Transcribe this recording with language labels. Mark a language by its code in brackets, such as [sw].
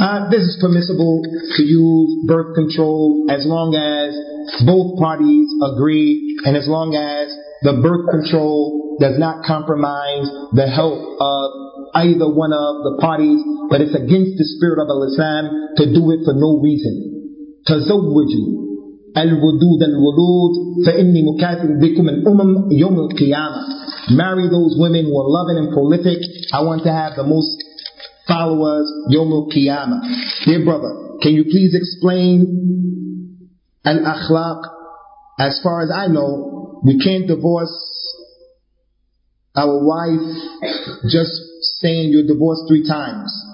[en] This is permissible to use birth control as long as both parties agree and as long as the birth control does not compromise the health of either one of the parties. But it's against the spirit of Al-Islam to do it for no reason. [ar] تزوجوا الودود الولود فإني مكاثر بكم الأمم يوم القيامة. [en] Marry those women who are loving and prolific. I want to have the most followers [ar] يوم القيامة. [en] Dear brother, can you please explain Al-akhlaq? As far as I know, we can't divorce our wife just saying you're divorced 3 times.